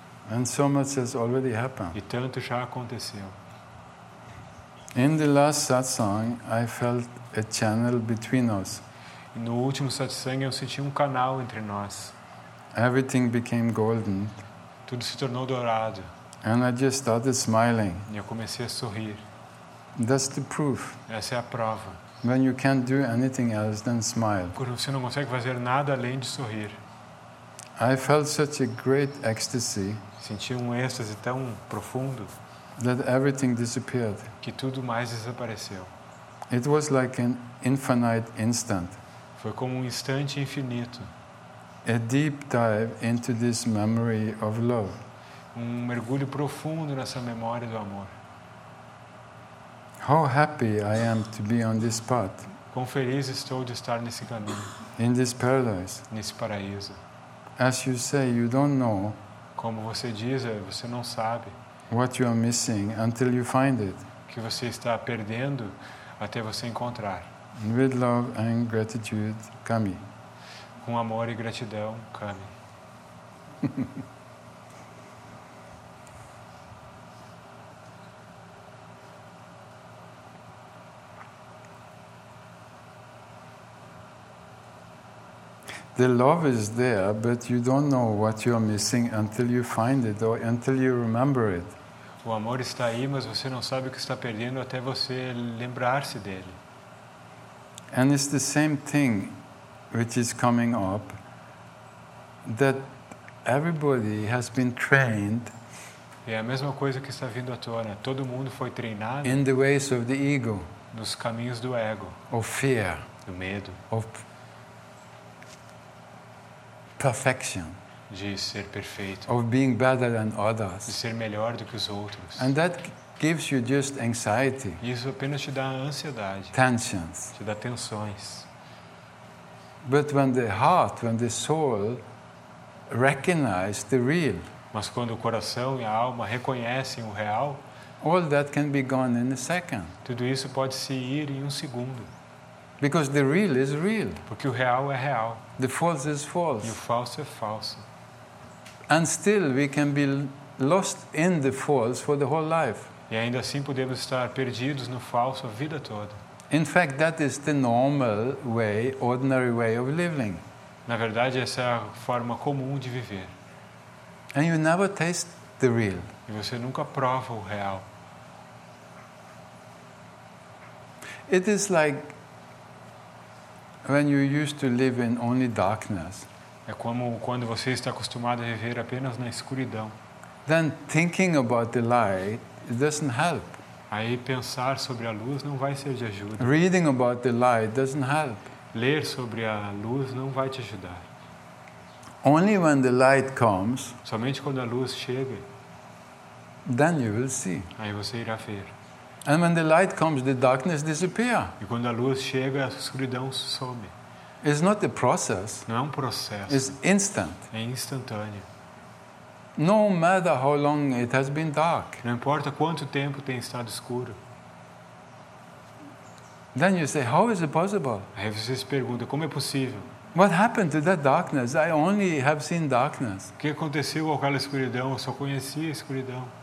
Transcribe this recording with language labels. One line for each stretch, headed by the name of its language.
English: And so much has already happened.
Portuguese: E tanto já aconteceu.
English: In the last satsang, I felt a channel between us.
Portuguese: No último satsang, eu senti um canal entre nós.
English: Everything became golden.
Portuguese: Tudo se tornou dourado.
English: And I just started smiling.
Portuguese: E eu comecei a sorrir.
English: That's the proof.
Portuguese: Essa é a prova.
English: When you can't do anything else than smile.
Portuguese: Quando você não consegue fazer nada além de sorrir.
English: I felt such a great ecstasy.
Portuguese: Senti um êxtase tão profundo.
English: That everything disappeared.
Portuguese: Que tudo mais desapareceu.
English: It was like an infinite instant.
Portuguese: Foi como um instante infinito.
English: A deep dive into this memory of love.
Portuguese: Um mergulho profundo nessa memória do amor.
English: How happy I am to be on this path.
Portuguese: Quão feliz estou de estar nesse caminho.
English: In this paradise.
Portuguese: Nesse paraíso.
English: As you say, you don't know.
Portuguese: Como você diz, você não sabe.
English: What you are missing until you find it.
Portuguese: Que você está perdendo até você encontrar.
English: With love and gratitude, Kami.
Portuguese: Com amor e gratidão, Kami.
English: The The love is there, but you don't know what you are missing until you find it or until you remember it.
Portuguese: O amor está aí, mas você não sabe o que está perdendo até você lembrar-se dele.
English: And it's the same thing which is coming up, that everybody has been trained.
Portuguese: É a mesma coisa que está vindo à tona. Todo mundo foi treinado.
English: In the ways of the ego.
Portuguese: Nos caminhos do ego.
English: Of fear.
Portuguese: Do medo.
English: Of perfection.
Portuguese: De ser perfeito.
English: Of being better than others.
Portuguese: De ser melhor do que os outros.
English: And that gives you just anxiety.
Portuguese: Isso apenas te dá ansiedade.
English: Tensions.
Portuguese: Te dá tensões.
English: But when the heart, when the soul recognize the real.
Portuguese: Mas quando o coração e a alma reconhecem o real,
English: all that can be gone in a second.
Portuguese: Tudo isso pode se ir em um segundo.
English: Because the real is real.
Portuguese: Porque o real é real.
English: The false is false.
Portuguese: E o falso é falso.
English: And still we can be lost in the false for the whole life.
Portuguese: E ainda assim podemos estar perdidos no falso a vida toda.
English: In fact, that is the normal way, ordinary way of living.
Portuguese: Na verdade, essa é a forma comum de viver.
English: And you never taste the real.
Portuguese: E você nunca prova o real.
English: It is like when you used to live in only darkness.
Portuguese: É como quando você está acostumado a viver apenas na escuridão.
English: Then thinking about the light doesn't help.
Portuguese: Aí pensar sobre a luz não vai ser de ajuda.
English: Reading about the light doesn't help.
Portuguese: Ler sobre a luz não vai te ajudar.
English: Only when the light comes,
Portuguese: somente quando a luz chega,
English: then you will see.
Portuguese: Aí você irá ver.
English: And when the light comes, the darkness disappears.
Portuguese: E quando a luz chega, a escuridão some.
English: It's not a process.
Portuguese: Não é um processo.
English: It's instant.
Portuguese: É instantâneo.
English: No matter how long it has been dark.
Portuguese: Não importa quanto tempo tem estado escuro.
English: Then you say, how is it possible?
Portuguese: Aí você se pergunta, como é possível?
English: What happened to that darkness? I only have seen darkness.
Portuguese: O que aconteceu com aquela escuridão? Eu só conhecia a escuridão.